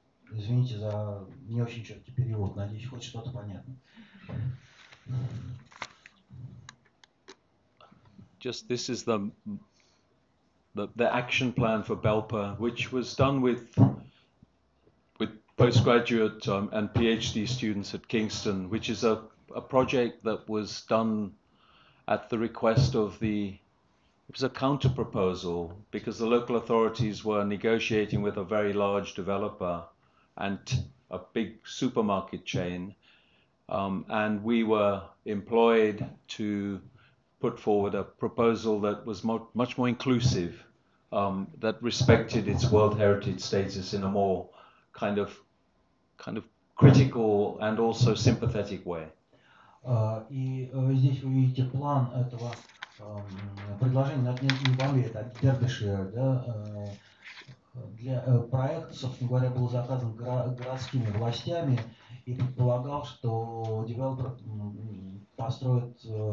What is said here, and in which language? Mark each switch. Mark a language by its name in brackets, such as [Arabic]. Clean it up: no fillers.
[Russian] Извините за не очень четкий перевод. Надеюсь, хоть что-то понятно. [English] Just this is the action plan for BELPA, which was done with postgraduate and PhD students at Kingston, which is a project that was done at the request of it was a counter proposal because the local authorities were negotiating with a very large developer and a big supermarket chain, and we were employed to put forward a proposal that was much more inclusive, that respected its World Heritage status in a more kind of critical and also sympathetic way. [Russian] И здесь вы видите план этого предложения, не Бомбей, это Дербишир, да, для проекта, собственно говоря, был заказан городскими властями и предполагал, что девелопер построит